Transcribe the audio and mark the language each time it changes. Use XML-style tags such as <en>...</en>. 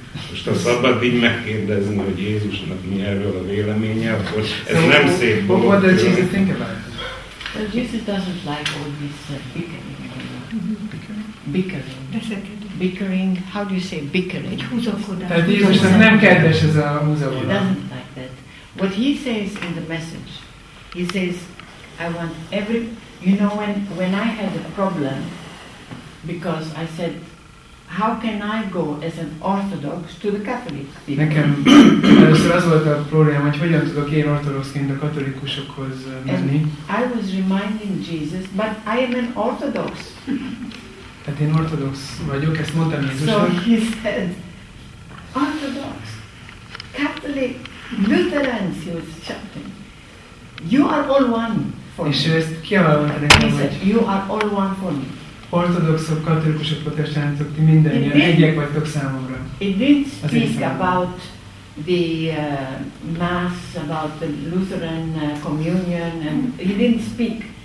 <hu>Most ha szabad így megkérdezni, hogy Jézusnak mi erről a véleménye, akkor ez nem szép dolog.</hu> <en>What does Jesus think about it? Jesus doesn't like all this bickering. How do you say bickering?</en> <hu>Tehát Jézusnak nem kedves ez a húzavona.</hu> <en>He doesn't like that. What he says in the message, he says, I want every... You know, when I had a problem, because I said, how can I go as an Orthodox to the Catholic people?</en> <hu>Nekem először az volt a problémám, hogy hogyan tudok én ortodoxként a katolikusokhoz menni.</hu> <en>I was reminding Jesus, but I am an Orthodox.</en> <hu>Tehát én ortodox vagyok, ezt mondtam Jézusnak.</hu> <en>So he said, Orthodox, Catholic, Lutherans, he was chanting. You are all one for me.</en> <hu>És ő ezt kiavallotta nekem,</hu> <en>he said, you are all one for me.</en> <hu>Ortodoxok, katolikusok, protestánsok, ti mindannyian egyek vagytok számomra.</hu> <en>It didn't speak about the mass, about the Lutheran communion, and he didn't speak.</en>